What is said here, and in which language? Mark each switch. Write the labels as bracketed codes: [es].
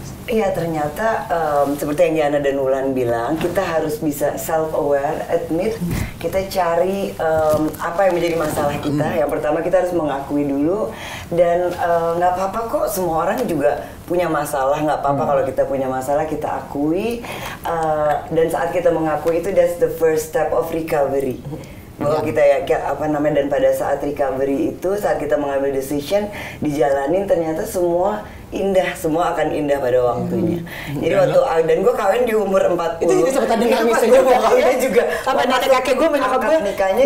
[id] Iya, ternyata seperti yang Yana dan Wulan bilang, kita harus bisa [en] self-aware, admit, [id] kita cari apa yang menjadi masalah kita. Yang pertama kita harus mengakui dulu, dan gak apa-apa kok, semua orang juga punya masalah, gak apa-apa kalau kita punya masalah, kita akui. Dan saat kita mengakui itu, [en] that's the first step of recovery. [id] Bahwa kita dan pada saat recovery itu, saat kita mengambil decision, dijalanin, ternyata semua indah, semua akan indah pada waktunya. Jadi waktu, dan gue kawin di umur 40. Itu jadi sempat ada nangis aja, gue kawin juga. Sampai nanti kakek gue, menyokap gue, nikahnya